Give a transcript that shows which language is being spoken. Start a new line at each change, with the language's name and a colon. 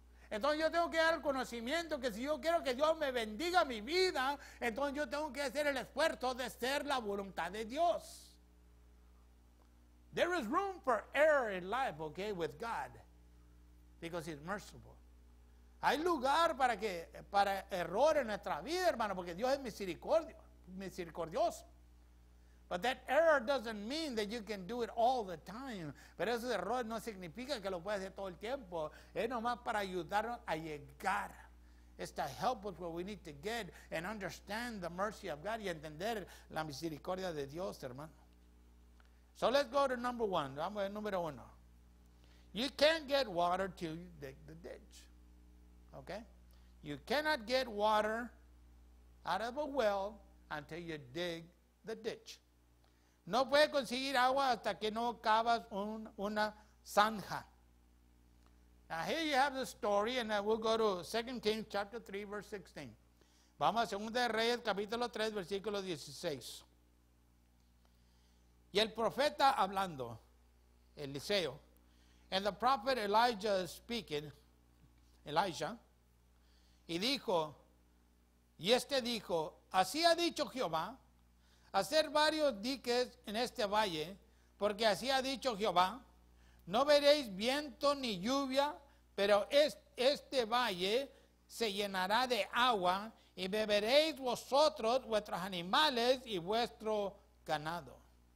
Spanish: Entonces yo tengo que dar el conocimiento que si yo quiero que Dios me bendiga mi vida, entonces yo tengo que hacer el esfuerzo de hacer la voluntad de Dios.
English: There is room for error in life, okay, with God, because He's merciful.
Spanish: Hay lugar para error en nuestra vida, hermano, porque Dios es misericordioso.
English: But that error doesn't mean that you can do it all the time.
Spanish: Pero ese error no significa que lo puedas hacer todo el tiempo. Es nomás para ayudarnos a llegar.
English: It's to help us where we need to get and understand the mercy of God
Spanish: y entender la misericordia de Dios, hermano.
English: So let's go to number one.
Spanish: Vamos al número uno.
English: You can't get water till you dig the ditch. Okay, you cannot get water out of a well until you dig the ditch.
Spanish: No puede conseguir agua hasta que no cavas una zanja.
English: Now here you have the story, and we'll go to 2 Kings chapter 3, verse 16.
Spanish: Vamos a 2 Reyes, capítulo 3, versículo 16. Y el profeta hablando, Eliseo,
English: and the prophet Elijah speaking, Elijah,
Spanish: y dijo, y este dijo, así ha dicho Jehová, hacer varios diques en este valle, porque así ha dicho Jehová, no veréis viento ni lluvia, pero este valle se llenará de agua, y beberéis vosotros, vuestros animales y vuestro ganado.